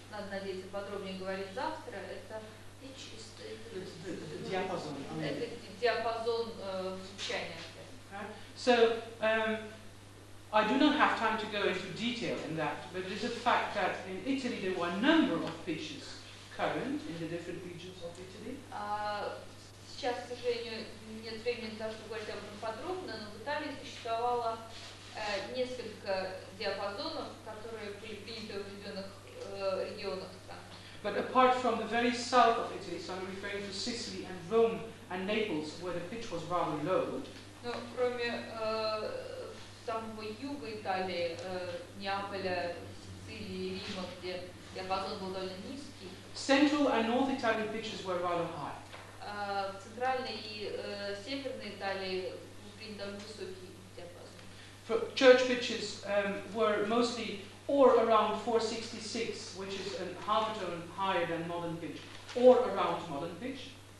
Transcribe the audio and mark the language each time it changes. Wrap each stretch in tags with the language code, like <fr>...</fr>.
<ru>надеяться, подробнее говорить завтра, это и чистое. Диапазон. Это диапазон звучания.</ru> <en>So, I do not have time to go into detail in that, but it is a fact that in Italy there were a number of pieces current in the different regions of Italy.</en> <ru>Сейчас, к сожалению, нет времени для того, чтобы говорить об этом подробно, но в Италии существовало несколько диапазонов, которые были приняты в определенных регионах.</ru> <en>But apart from the very south of Italy, so I'm referring to Sicily and Rome and Naples, where the pitch was rather low.</en> <ru>Но кроме самого юга Италии, Неаполя, Сицилии, Рима, где диапазон был довольно низкий.</ru> <en>Central and north Italian pitches were rather high.</en> <ru>В центральной и северной Италии был довольно высокий диапазон.</ru> <en>For church pitches were mostly or around 466, which is a half tone higher than modern pitch, or around modern pitch.</en>